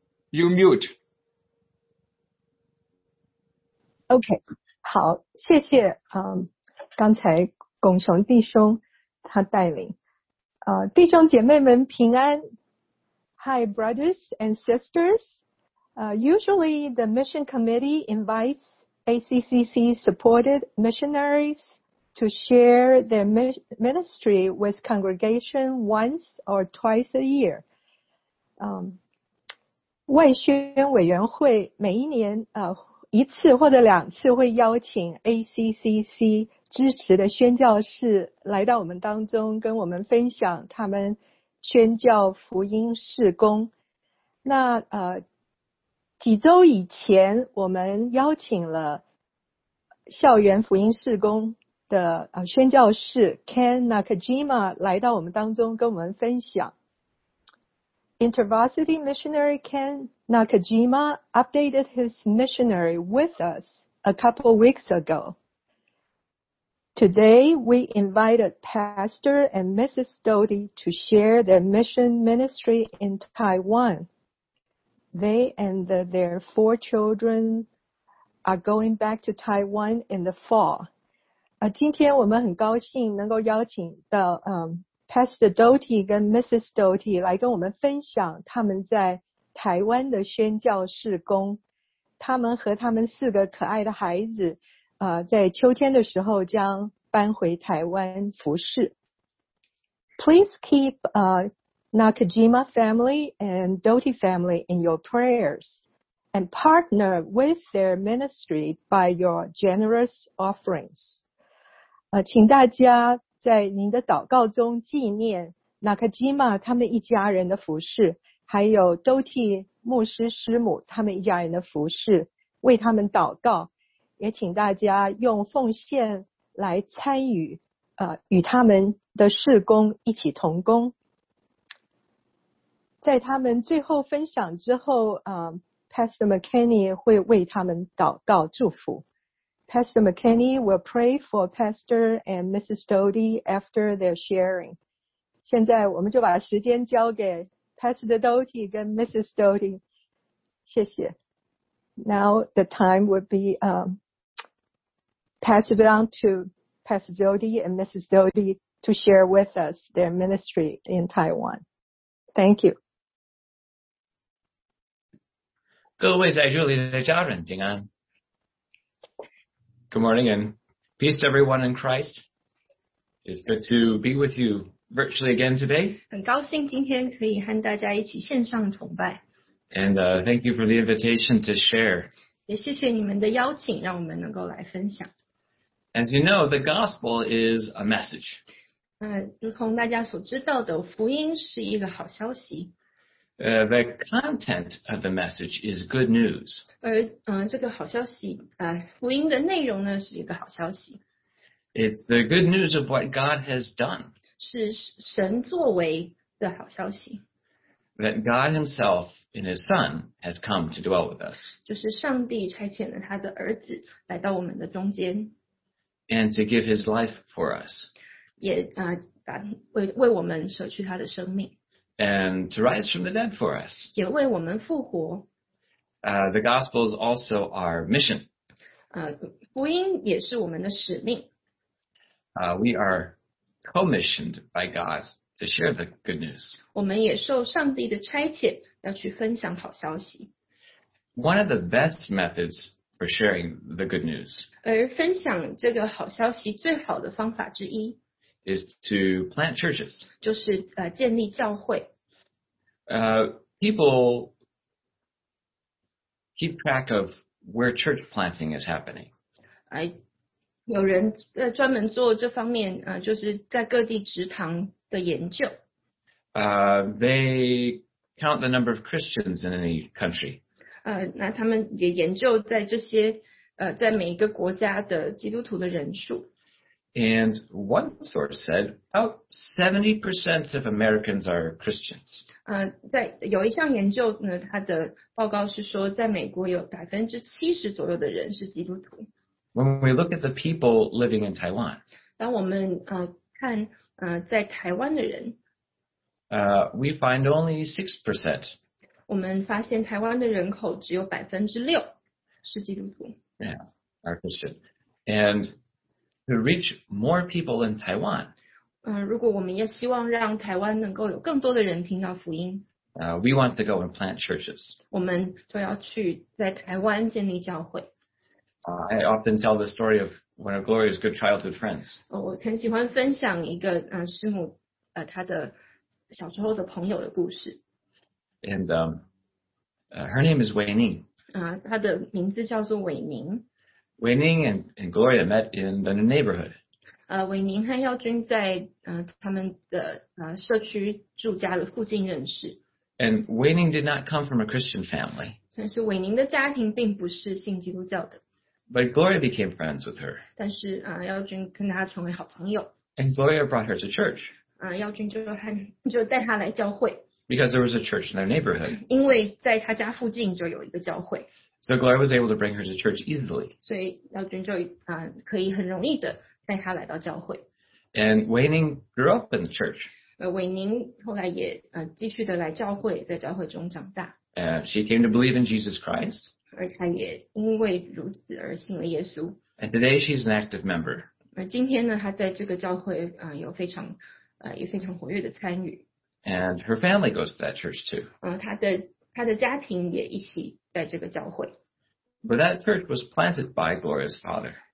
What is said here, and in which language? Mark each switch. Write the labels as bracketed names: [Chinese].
[English] You mute. [Chinese] OK, 好，谢谢刚才巩雄弟兄他带领。弟兄姐妹们平安。 [English] Hi, brothers and sisters. Usually the mission committee invites ACCC supported missionaries to share their ministry with congregation once or twice a year. [Chinese] 外宣委员会每一年一次或者两次会邀请 ACCC 支持的宣教士来到我们当中，跟我们分享他们宣教福音事工。那几周以前我们邀请了校园福音事工的宣教士 Ken Nakajima 来到我们当中跟我们分享。 [English] InterVarsity missionary Ken Nakajima updated his missionary with us a couple weeks ago. Today, we invited Pastor and Mrs. Doty to share their mission ministry in Taiwan. They and their four children are going back to Taiwan in the fall. [Chinese] 今天我们很高兴能够邀请到Pastor Doty 跟 Mrs. Doty 来跟我们分享他们在台湾的宣教事工。他们和他们四个可爱的孩子在秋天的时候将搬回台湾服事。 [English] Please keep Nakajima family and Doty family in your prayers and partner with their ministry by your generous offerings. [Chinese] 请大家在您的祷告中纪念 Nakajima 他们一家人的服事，还有 Doty 牧师师母他们一家人的服事，为他们祷告，也请大家用奉献来参与与他们的事工一起同工。在他们最后分享之后Pastor McKinney 会为他们祷告祝福。 [English] Pastor McKinney will pray for Pastor and Mrs. Doty after their sharing. [Chinese] 现在我们就把时间交给 Pastor Doty 跟 Mrs. Doty. 谢谢。 [English] Now the time would be passed on to Pastor Doty and Mrs. Doty to share with us their ministry in Taiwan. Thank you. [Chinese] 各位在这里的家人平安。 [English] Good morning and peace to everyone in Christ. It's good to be with you virtually again today. [Chinese] 很高兴今天可以和大家一起线上崇拜。 [English] And thank you for the invitation to share. [Chinese] 也谢谢你们的邀请，让我们能够来分享。 [English] As you know, the gospel is a message. [Chinese] 如同大家所知道的，福音是一个好消息。 [English] The content of the message is good news. [Chinese] 这个好消息，福音的内容呢，是一个好消息。 [English] It's the good news of what God has done. [Chinese] 是神作为的好消息。 [English] That God himself in his son has come to dwell with us. [Chinese] 就是上帝差遣了他的儿子来到我们的中间。 [English] And to give his life for us. [Chinese] 也为我们舍去他的生命。 [English] And to rise from the dead for us. [Chinese] 也为我们复活。 [English] The gospel is also our mission. [Chinese] 福音也是我们的使命。 [English] We are commissioned by God to share the good news. [Chinese] 我们也受上帝的差遣要去分享好消息。 [English] One of the best methods for sharing the good news. [Chinese] 而分享这个好消息最好的方法之一。 [English] Is to plant churches. [Chinese] 就是建立教会。 [English] people keep track of where church planting is happening. [Chinese] 有人专门做这方面，就是在各地职堂的研究。 [English] They count the number of Christians in any country. [Chinese] 那他们也研究在这些在每一个国家的基督徒的人数。 [English] And one source said about 70% of Americans are Christians. [Chinese] 在有一项研究呢，它的报告是说，在美国有70%左右的人是基督徒。 [English] When we look at the people living in Taiwan, [Chinese] 当我们看在台湾的人 [English] we find only 6%. [Chinese] 我们发现台湾的人口只有6%是基督徒。 [English] Yeah, are Christian. And to reach more people in Taiwan, [Chinese] 如果我们也希望让台湾能够有更多的人听到福音 [English] we want to go and plant churches. [Chinese] 我们就要去在台湾建立教会。 [English] I often tell the story of one of Gloria's good childhood friends. [Chinese] 我很喜欢分享一个师母她的小时候的朋友的故事。 [English] And her name is Wei Ning. [Chinese] 她的名字叫做韦宁。 [English] 韦宁 and Gloria met in the neighborhood. [Chinese] 韦宁和耀君在他们的社区住家的附近认识。 [English] And Wei Ning did not come from a Christian family. [Chinese] 但是韦宁的家庭并不是信基督教的。 [English] But Gloria became friends with her. [Chinese] 但是耀君跟她成为好朋友。 [English] And Gloria brought her to church. [Chinese] 耀君就带她来教会。 [English] Because there was a church in their neighborhood. [Chinese] 因为在她家附近就有一个教会。 [English] So Gloria was able to bring her to church easily. [Chinese] 所以耀君就可以很容易的带她来到教会。 [English] And Wei Ning grew up in the church. [Chinese] 韦宁后来也继续的来教会，在教会中长大。 [English] She came to believe in Jesus Christ. [Chinese] 而她也因为如此而信了耶稣。 [English] And today she's an active member. [Chinese] 今天呢，她在这个教会有非常也非常活跃的参与。 [English] And her family goes to that church too. [Chinese] 她的家庭也一起在这个教会。 [English] But that church was planted by Gloria's father.